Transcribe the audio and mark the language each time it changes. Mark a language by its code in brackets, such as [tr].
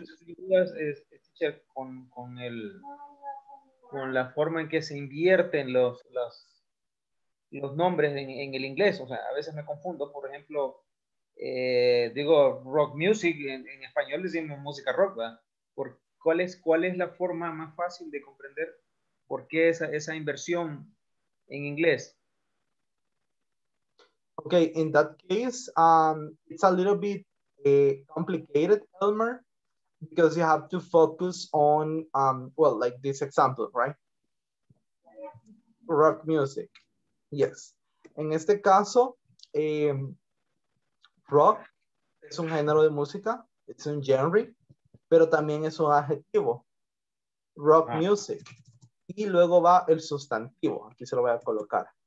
[es] Yo dudas es con la forma en que se invierten los nombres en el inglés. O sea, a veces me confundo. Por ejemplo, digo rock music, en español decimos música rock, ¿verdad? ¿Cuál es la forma más fácil de comprender por qué esa inversión en inglés? [en] Ok, in that case, it's a little bit complicated, Elmer, because you have to focus on, well, like this example, right? Rock music. Yes. [es] En este caso, rock es un género de música, es un genre, pero también es un adjetivo. Rock music. Y luego va el sustantivo. Aquí se lo voy a colocar.